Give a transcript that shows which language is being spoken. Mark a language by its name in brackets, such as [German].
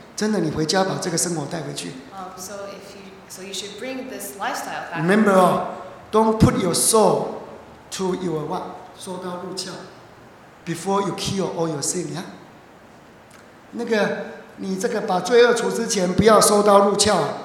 [Chinese] 真的，你回家把这个生活带回去。 [English] So you should bring this lifestyle back. Remember, don't put your soul to your what? [Chinese] 收刀入鞘 [English] before you kill all your sin. Yeah. [Chinese] 那个，你这个把罪恶除之前，不要收刀入鞘。